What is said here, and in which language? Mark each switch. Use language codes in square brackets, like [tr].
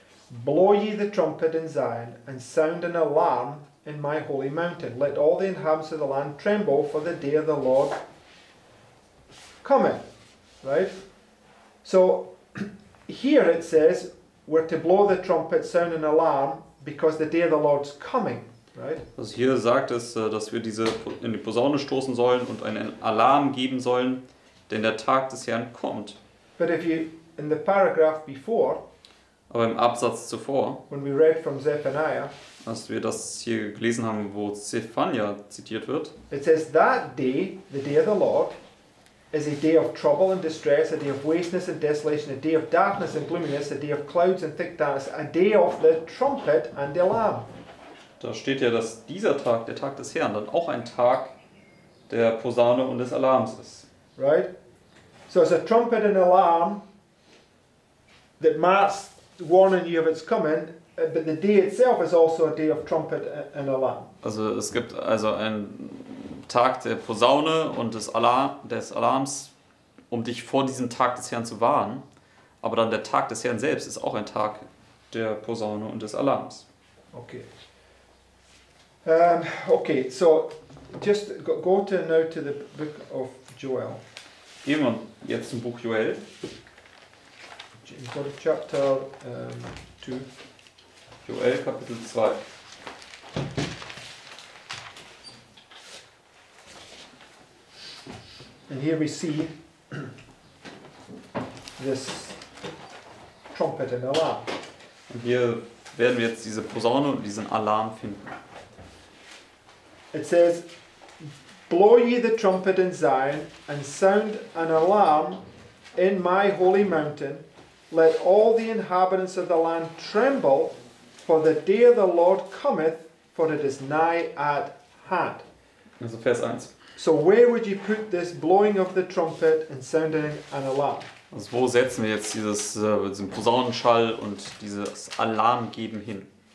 [en] Blow ye the trumpet in Zion, and sound an alarm in my holy mountain. Let all the inhabitants of the land tremble for the day of the Lord coming, right? So here it says we're to blow the trumpet, sound an alarm, because the day of the Lord's coming, right? [de] Also hier sagt es, dass wir diese in die Posaune stoßen sollen und einen Alarm geben sollen, denn der Tag des Herrn kommt. [en] But if you in the paragraph before, [de] aber im Absatz zuvor, [en] when we read from Zephaniah, [de] als wir das hier gelesen haben, wo Zephaniah zitiert wird, [en] it says that day, the day of the Lord, is a day of trouble and distress, a day of wasteness and desolation, a day of darkness and gloominess, a day of clouds and thick darkness, a day of the trumpet and the alarm. [de] Da steht ja, dass dieser Tag, der Tag des Herrn, dann auch ein Tag der Posaune und des Alarms ist. [en] Right? So it's a trumpet and alarm that marks warning you of its coming, but the day itself is also a day of trumpet and alarm. [de] Also es gibt also ein Tag der Posaune und des Alarms, um dich vor diesem Tag des Herrn zu warnen. Aber dann der Tag des Herrn selbst ist auch ein Tag der Posaune und des Alarms. [en] Okay. Okay, so just go to now to the book of Joel. [de] Gehen wir jetzt zum Buch Joel. [en] Go to chapter 2. [de] Joel Kapitel 2. [en] And here we see this trumpet and alarm. [de] Und hier werden wir jetzt diese Posaune und diesen Alarm finden. [en] It says, blow ye the trumpet in Zion and sound an alarm in my holy mountain. Let all the inhabitants of the land tremble, for the day of the Lord cometh, for it is nigh at hand. [de] Also Vers 1. [en] So where would you put this blowing of the trumpet and sounding an alarm? [de] Also wo setzen wir jetzt dieses, diesen Posaunenschall und dieses Alarmgeben hin?